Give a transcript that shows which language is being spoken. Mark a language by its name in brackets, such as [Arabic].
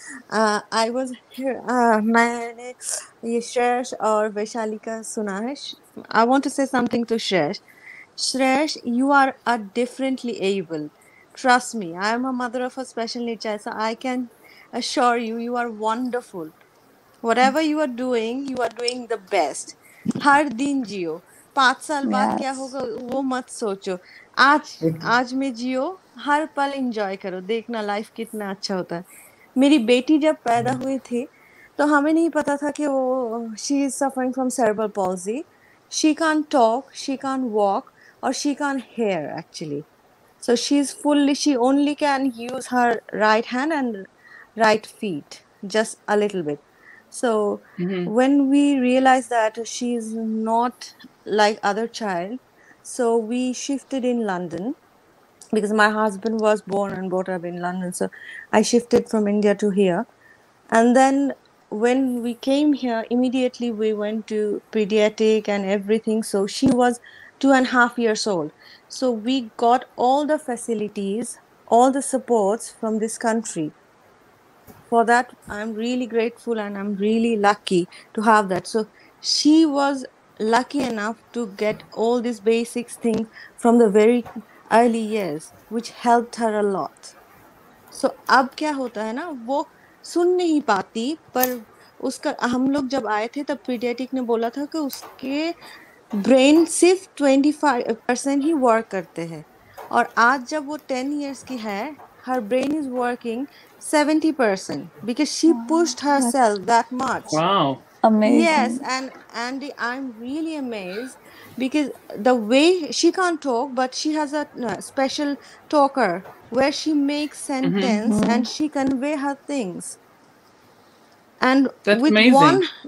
[English] I was here. [Hindi] Maine ye Shreyash aur Vaishali ka suna hai. [English] I want to say something to Shreyash. Shreyash, you are a differently able. Trust me, I am a mother of a special need child, so I can assure you, you are wonderful. Whatever you are doing the best. [Hindi] हर दिन जियो. पांच साल बाद क्या होगा वो मत सोचो. आज में जियो, हर पल एंजॉय करो, देखना लाइफ कितना अच्छा होता है. मेरी बेटी जब पैदा हुई थी तो हमें नहीं पता था कि वो [English] She is suffering from cerebral palsy. She can't talk, she can't walk [Hindi] और [English] She can't hear actually. So she is fully, she only can use her right hand and right feet just a little bit. So when we realized that she is not like other child, so we shifted in London because my husband was born and brought up in London. So I shifted from India to here. And then when we came here, immediately we went to pediatric and everything. So she was 2.5 years old. So we got all the facilities, all the supports from this country. For that, I'm really grateful and I'm really lucky to have that. So she was lucky enough to get all these basic things from the very early years, which helped her a lot. [Hindi] So अब क्या होता है ना, वो सुन नहीं पाती, पर उसका हम लोग जब आए थे तब पीडियाटिक ने बोला था कि उसके ब्रेन सिर्फ 25% ही वर्क करते हैं, और आज जब वो 10 ईयर्स की है, [English] her brain is working 70% because she pushed herself that much. Wow, amazing. Yes, and Andy, I'm really amazed because the way she can't talk, but she has a special talker where she makes sentence and she convey her things, and that's with amazing.